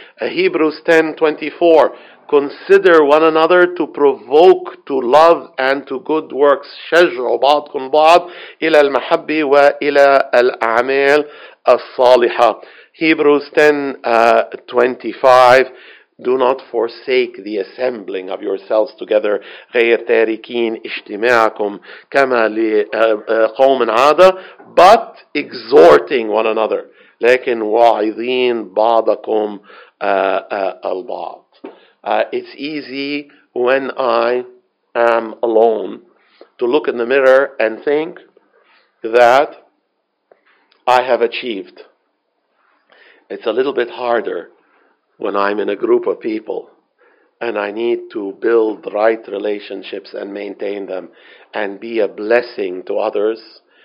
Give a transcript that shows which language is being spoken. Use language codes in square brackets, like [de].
[en] Hebrews 10:24, consider one another to provoke to love and to good works. [ar] Shajru ba'dakum ba'd ila al-mahabbi wa ila al-a'mal as-salihah. [en] Hebrews 10:25, do not forsake the assembling of yourselves together. [ar] غير تاركين اجتماعكم كما لقوم عادة, [en] but exhorting one another. [ar] لكن واعظين بعضكم البعض. [en] It's easy when I am alone to look in the mirror and think that I have achieved. It's a little bit harder when I'm in a group of people and I need to build right relationships and maintain them and be a blessing to others.